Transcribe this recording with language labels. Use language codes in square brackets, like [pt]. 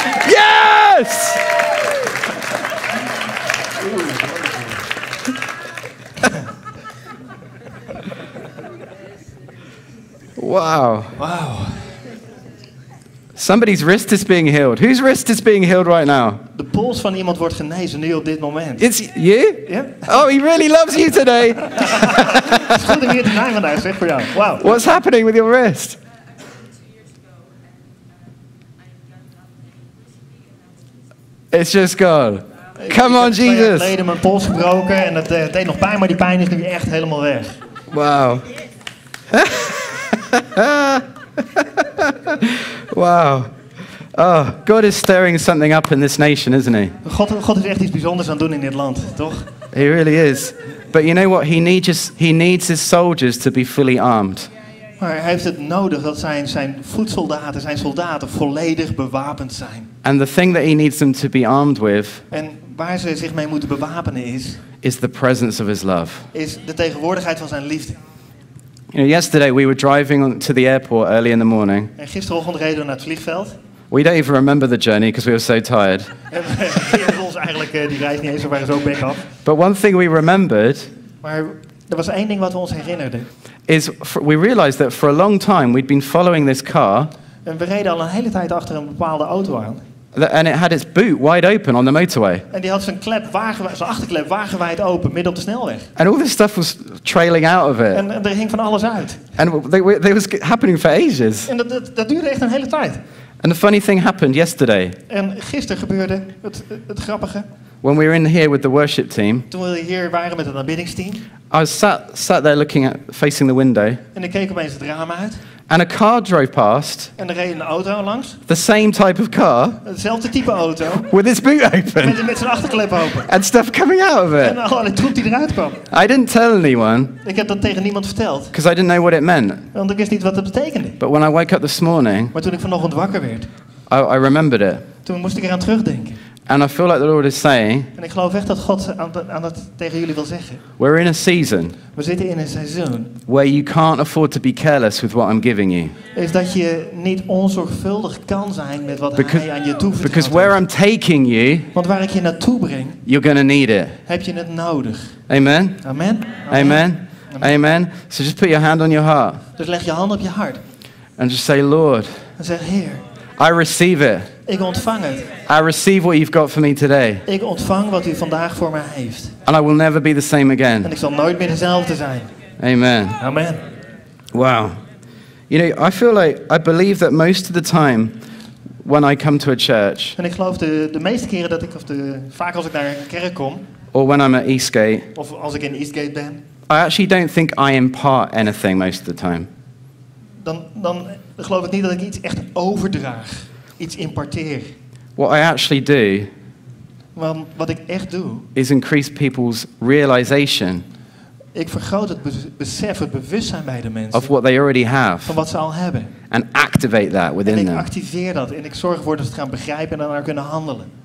[en] Yes! Wow. Wow. Somebody's wrist is being healed. Whose wrist is being healed right now? The pulse [nl] van iemand wordt genezen nu op dit moment. [en] It's you? Yeah. Oh, he really loves you today. [nl] Het is goed om hier te zijn vandaag, zeg voor jou. [en] Wow. What's happening with your wrist? It's just gone. Come on, Jesus. [nl] Ik heb twee jaar geleden mijn pols gebroken en het deed nog pijn, maar die pijn is nu echt helemaal weg. [en] Wow. Wow. Oh, God is stirring something up in this nation, isn't he? [nl] God is echt iets bijzonders aan doen in dit land, toch? [en] He really is. But you know what? He needs his soldiers to be fully armed. [nl] Maar hij heeft het nodig dat zijn voetsoldaten, zijn soldaten volledig bewapend zijn. [en] And the thing that he needs them to be armed with. [nl] En waar ze zich mee moeten bewapenen is. [en] Is the presence of his love. [nl] Is de tegenwoordigheid van zijn liefde. [en] You know, yesterday we were driving to the airport early in the morning. [nl] En gisterochtend reden we naar het vliegveld. [en] We don't even remember the journey because we were so tired. But one thing we remembered. [nl] Maar er was één ding wat we ons herinnerden. [en] Is we realized that for a long time we'd been following this car. [nl] En we reden al een hele tijd achter een bepaalde auto aan. [en] And it had its boot wide open on the motorway. [nl] En die had zijn achterklep wagenwijd open midden op de snelweg. [en] And all this stuff was trailing out of it. [nl] En er hing van alles uit. [en] And it was happening for ages. [nl] En dat duurde echt een hele tijd. [en] And the funny thing happened yesterday. [nl] En gisteren gebeurde het grappige. [en] When we were in here with the worship team. [nl] Toen we hier waren met het aanbiddingsteam. [en] I was sat there looking at facing the window. [nl] En ik keek opeens het raam uit. [en] And a car drove past. [nl] En er reed een auto langs. [en] The same type of car. [nl] Hetzelfde type auto. [en] With its boot open. [nl] Met zijn achterklep open. [en] And stuff coming out of it. [nl] En alle troep die eruit kwam. [en] I didn't tell anyone. [nl] Ik heb dat tegen niemand verteld. [en] Because I didn't know what it meant. [nl] Want ik wist niet wat het betekende. [en] But when I woke up this morning. [nl] Maar toen ik vanochtend wakker werd. [en] I remembered it. [nl] Toen moest ik eraan terugdenken. [en] And I feel like the Lord is saying. [nl] En ik geloof echt dat God aan dat tegen jullie wil zeggen. [en] We're in a season. [nl] We zitten in een seizoen. [en] Where you can't afford to be careless with what I'm giving you. [nl] Is dat je niet onzorgvuldig kan zijn met wat hij aan je toevertrouwt. [en] Because where I'm taking you. [nl] Want waar ik je naartoe breng. [en] You're gonna need it. [nl] Heb je het nodig. [en] Amen. Amen. Amen. Amen. Amen. So just put your hand on your heart. [nl] Dus leg je hand op je hart. [en] And just say, Lord. [nl] En zeg, Heer. [en] I receive it. [nl] Ik ontvang het. [en] I receive what you've got for me today. [nl] Ik ontvang wat u vandaag voor mij heeft. [en] And I will never be the same again. [nl] En ik zal nooit meer dezelfde zijn. [en] Amen. Amen. Wow. You know, I feel like I believe that most of the time when I come to a church. [nl] En ik geloof de meeste keren dat ik of de vaak als ik naar een kerk kom. [en] Or when I'm at Eastgate. [nl] Of als ik in Eastgate ben. [en] I actually don't think I impart anything most of the time. [nl] Dan geloof ik niet dat ik iets echt overdraag. Iets importeer. [en] What I actually do. [nl] Want wat ik echt doe. [en] Is increase people's realization. [nl] Ik vergroot het besef, het bewustzijn bij de mensen. [en] Of what they already have. [nl] Van wat ze al hebben. [en] And activate that within them. [nl] En ik activeer dat. En ik zorg ervoor dat ze het gaan begrijpen en daarnaar kunnen handelen.